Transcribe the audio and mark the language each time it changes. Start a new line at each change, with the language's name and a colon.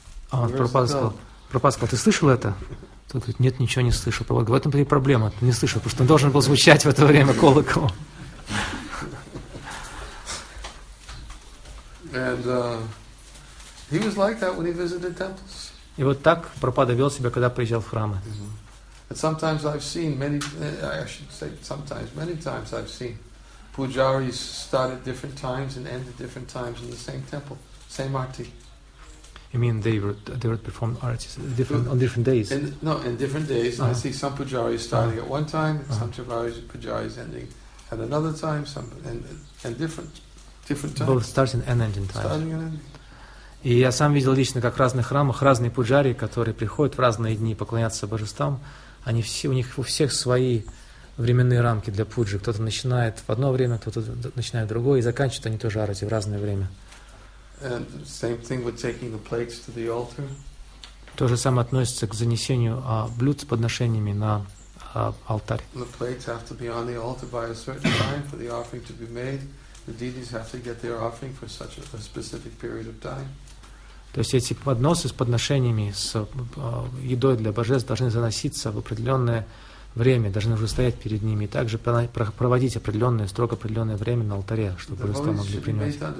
Russian: А он Прабхупада сказал, ты слышал это? Тот говорит, нет, ничего не слышал. Прабхупада говорит, в этом-то и проблема, ты не слышал, потому что он должен был звучать в это время колокол.
English: And, he was like that when he visited temples.
Russian: И вот так Прабхупада вел себя, когда приезжал в храмы.
English: And sometimes I've seen many, I should say sometimes, many times I've seen pujaris start at different times and end at different times in the same temple, same arti. You mean they would perform artis on different days? In different days. Uh-huh. I see some pujaris starting uh-huh. at one time, uh-huh. some pujaris ending at another time, some different times. Both starting and ending times. Starting and ending.
Russian: И я сам видел лично, как в разных храмах разные пуджари, которые приходят в разные дни поклоняться божествам, они все, у них у всех свои временные рамки для пуджи. Кто-то начинает в одно время, кто-то начинает в другое, и заканчивают они тоже арати в разное время.
English: And same thing with taking the plates to the altar.
Russian: То же самое относится к занесению блюд с подношениями на алтарь.
English: The plates have to be on the altar by a certain time for the offering to be made. The deities have to get their offering for such a specific period of time.
Russian: То есть эти подносы с подношениями, с едой для божеств должны заноситься в определенное время, должны уже стоять перед ними и также проводить определенное, строго определенное время на алтаре, чтобы божества могли принять.